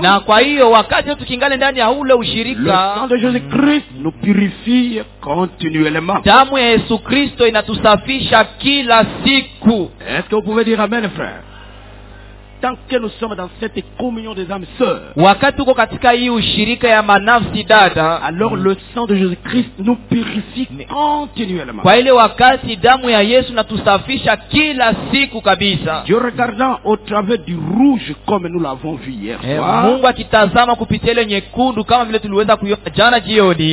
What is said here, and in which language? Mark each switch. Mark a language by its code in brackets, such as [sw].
[sw] Na kwa hiyo wakati tukingale ndani ya ule ushirika. [fr] Le sang de Jésus Christ nous purifie continuellement. [sw] Damu ya Yesu Kristo inatusafisha kila siku. [fr] Est-ce que vous pouvez dire amen, frère? Tant que nous sommes dans cette communion des âmes sœurs, [sw] wakati uko katika hii ushirika ya manafsi dada, [fr] alors le sang de Jésus Christ nous purifie continuellement. [sw] Kwa ile wakati damu ya Yesu natusafisha kila siku kabisa. [fr] Dieu regardant au travers du rouge comme nous l'avons vu hier soir. [sw] Mungu akitazama kupitia ile nyekundu kama vile tuliweza kuiona jana jioni.